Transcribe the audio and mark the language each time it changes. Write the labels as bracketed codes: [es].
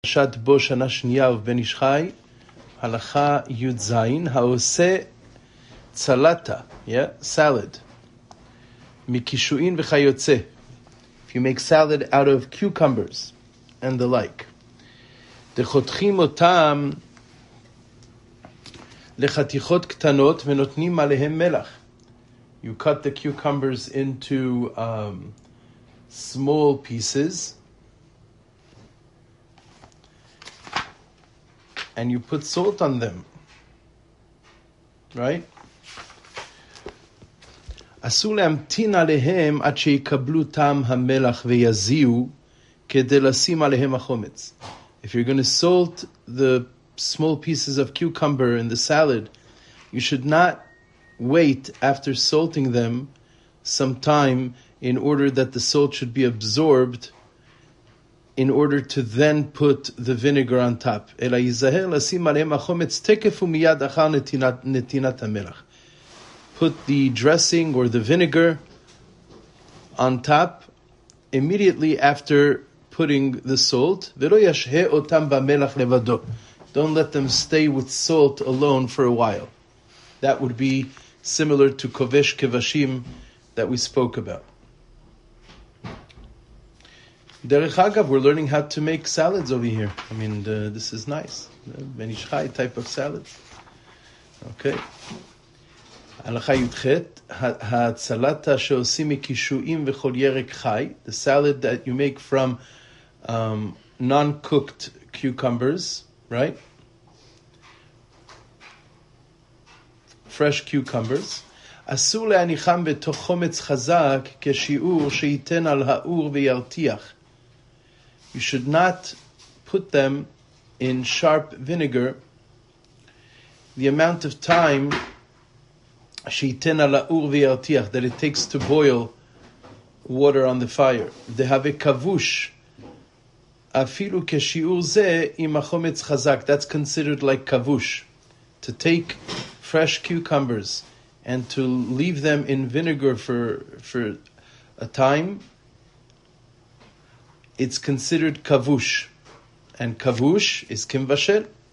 [he] פרשת בו שנה שנייה ובן איש חי, הלכה י' זין, העושה צלטה, סלד, מקישואין וכיוצא. [en] If you make salad out of cucumbers and the like. [he] דחותכים אותם לחתיכות קטנות ונותנים עליהם מלח. [en] You cut the cucumbers into small pieces. And you put salt on them, right? [he] אסור להמתין עליהם עד שיקבלו טעם המלח ויזיעו כדי לשים עליהם החומץ. [en] If you're going to salt the small pieces of cucumber in the salad, you should not wait after salting them some time in order that the salt should be absorbed in order to then put the vinegar on top. [he] אלא יזהר לשים עליהם החומץ תקף ומיד אחר נתינת המלח. [en] Put the dressing or the vinegar on top immediately after putting the salt. [he] ולא ישהה אותם במלח לבדו. [en] Don't let them stay with salt alone for a while. That would be similar to kovesh kevashim that we spoke about. [he] דרך אגב, [en] we're learning how to make salads over here. I mean, this is nice. Ben Ish Chai type of salad. Okay. [he] הלכה י"ח, הצלטה שעושים מקישואים וכל ירק חי, [en] the salad that you make from non-cooked cucumbers, right? Fresh cucumbers. [he] אסור להניחם בתוך חומץ חזק כשיעור שייתן על האור וירתיח. [en] You should not put them in sharp vinegar. The amount of time [he] שייתן על האור וירתיח, [en] that it takes to boil water on the fire. [he] דהווה כבוש, אפילו כשיעור זה עם החומץ חזק. [en] That's considered like כבוש. To take fresh cucumbers and to leave them in vinegar for a time, it's considered kavush, and kavush is kimvashel.